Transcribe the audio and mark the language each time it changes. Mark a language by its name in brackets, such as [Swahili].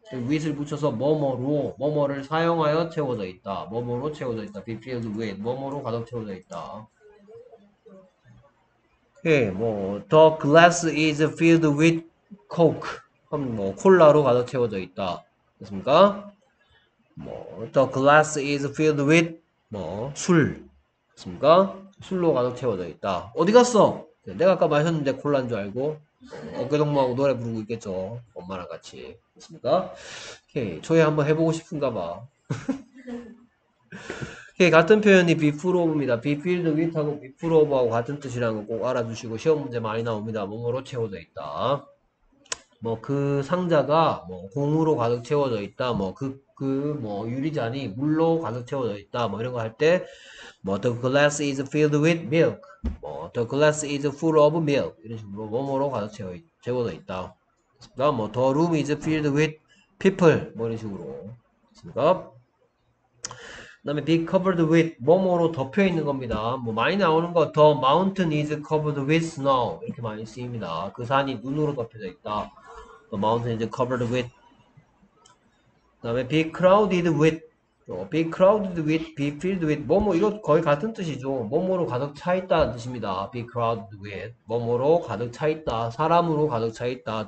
[Korean] with을 붙여서 뭐뭐로 뭐뭐를 사용하여 채워져 있다. 뭐뭐로 채워져 있다. Be filled with 뭐뭐로 가득 채워져 있다. [English] 오케이. 뭐 The glass is filled with Coke. [Korean] 그럼 뭐 콜라로 가득 채워져 있다. 됐습니까? [English] 뭐 The glass is filled with 뭐 술. [Korean] 됐습니까? 술로 가득 채워져 있다. 어디 갔어? 내가 아까 마셨는데 콜라인 줄 알고 어깨동무하고 노래 부르고 있겠죠. 엄마랑 같이. 됐습니까? 오케이. 초회 한번 해보고 싶은가 봐. 오케이. 같은 표현이 be full of입니다. be filled with 하고 be full of하고 같은 뜻이라는 거꼭 알아두시고, 시험 문제 많이 나옵니다. 뭐뭐로 채워져 있다. 뭐그 상자가 뭐 공으로 가득 채워져 있다. 뭐그그뭐 유리잔이 물로 가득 채워져 있다. 뭐 이런 거할 때, 뭐 [English] the glass is filled with milk. 뭐 the glass is full of milk. [Korean] 이런 식으로 뭐뭐로 가득 채워져 있다. [English] 그러니까 뭐 the room is filled with people. [Korean] 뭐 이런 식으로. 그러니까 그다음에 be covered with 뭐뭐로 덮여 있는 겁니다. 뭐 많이 나오는 거 [English] the mountain is covered with snow. [Korean] 이렇게 많이 쓰입니다. 그 산이 눈으로 덮여져 있다. [English] The mountain is covered with. [Korean] 그다음에 [English] be crowded with. Be crowded with, be filled with, [Korean] 뭐뭐, 이거 거의 같은 뜻이죠. 뭐뭐로 가득 차 있다는 뜻입니다. [English] Be crowded with, [Korean] 뭐뭐로 가득 차 있다. 사람으로 가득 차 있다.